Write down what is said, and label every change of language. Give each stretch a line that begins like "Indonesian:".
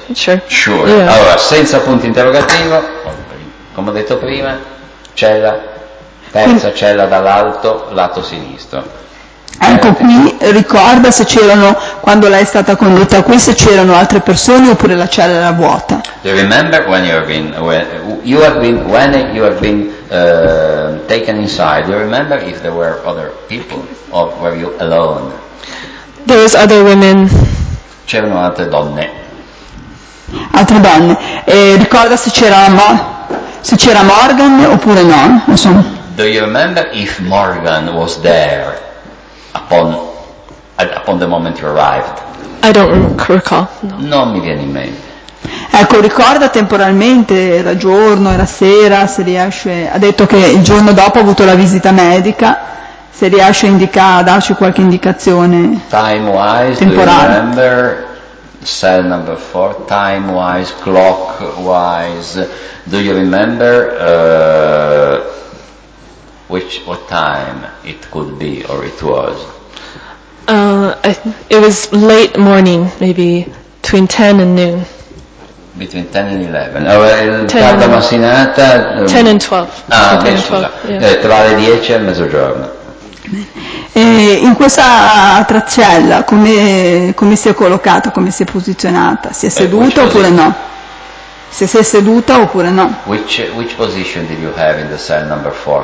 English: Yeah.
Italian: Allora, senza punto interrogativo, come ho detto prima, cella, terza cella dall'alto, lato sinistro. Ecco, qui ricorda se c'erano, quando lei è stata condotta qui, se c'erano altre persone oppure la cella era vuota.
English: Do you remember when you have been taken inside, do you remember if there were other people or were you alone? There was other women.
Italian: C'erano altre donne. Altre donne. Ricorda se c'era Morgan oppure no? Insomma.
English: Do you remember if Morgan was there upon the moment you arrived? I don't recall. No.
Italian: Non mi viene in mente. Ecco, ricorda temporalmente, era giorno, era sera, se riesce. Ha detto che il giorno dopo ha avuto la visita medica. Se riesce a darci qualche indicazione
English: time-wise,
Italian: temporale.
English: Do you remember Cell number 4, time-wise, clock-wise, do you remember what time it could be or it was? It was late morning, maybe between 10 and noon. Between 10 and 11. Oh, 10,
Italian: tarda
English: and
Italian: mattinata,
English: 10 and 12. Ah, 10 and 12, yeah.
Italian: Tra le 10 e mezzogiorno. E in questa tracella come si è collocata, come si è posizionata? Si è seduta oppure no? Se si è seduta oppure no?
English: Which position did you have in the cell number 4?